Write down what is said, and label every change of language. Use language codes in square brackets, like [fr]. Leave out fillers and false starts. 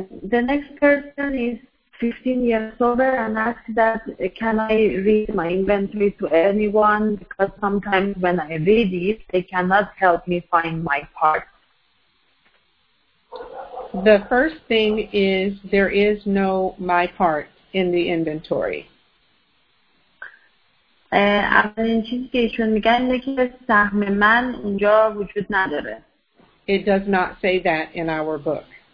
[en] The next person is 15 years older and asked that can I read my inventory to anyone because sometimes when I read it they cannot help me find my parts. The first thing is there is no my part in the inventory. [fa] اولین چیزی که ایشون میگن اینه که سهم من اونجا وجود نداره. [en] It does not say that in our book.